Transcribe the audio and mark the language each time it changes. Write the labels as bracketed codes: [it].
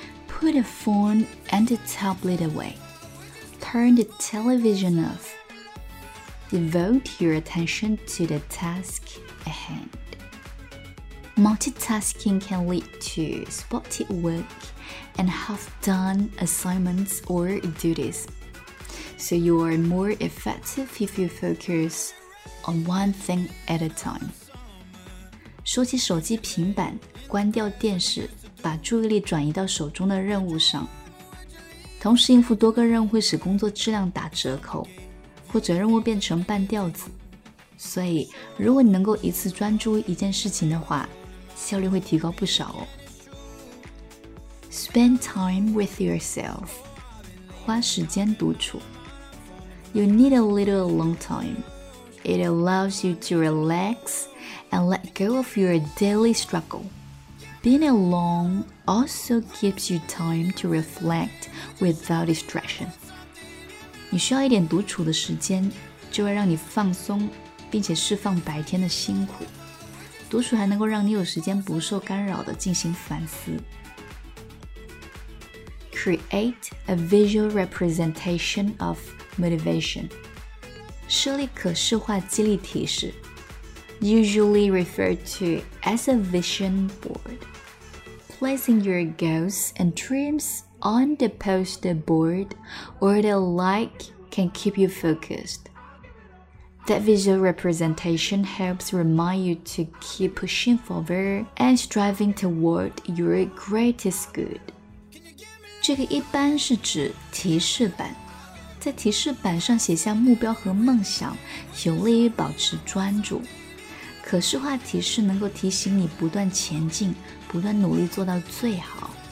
[en] Put a phone and a tablet away， Turn the television off， Devote your attention to the task ahead。 Multitasking can lead to spotty workand have done assignments or duties. So you are more effective if you focus on one thing at a time. [zh] 收起手机平板，关掉电视，把注意力转移到手中的任务上。同时应付多个任务会使工作质量打折扣，或者任务变成半吊子。所以如果你能够一次专注一件事情的话，效率会提高不少哦。 [en] Spend time with yourself， [zh] 花时间独处。 [en] You need a little alone time. It allows you to relax and let go of your daily struggle. Being alone also gives you time to reflect without distraction. [zh] 你需要一点独处的时间，就会让你放松，并且释放白天的辛苦。独处还能够让你有时间不受干扰地进行反思。 [en] Create a visual representation of motivation. [zh] 设立可视化激励提示， [en] usually referred to as a vision board. Placing your goals and dreams on the poster board or the like can keep you focused. That visual representation helps remind you to keep pushing forward and striving toward your greatest good. [zh] 这个一般是指提示板，在提示板上写下目标和梦想，有利于保持专注。可视化提示能够提醒你不断前进，不断努力做到最好。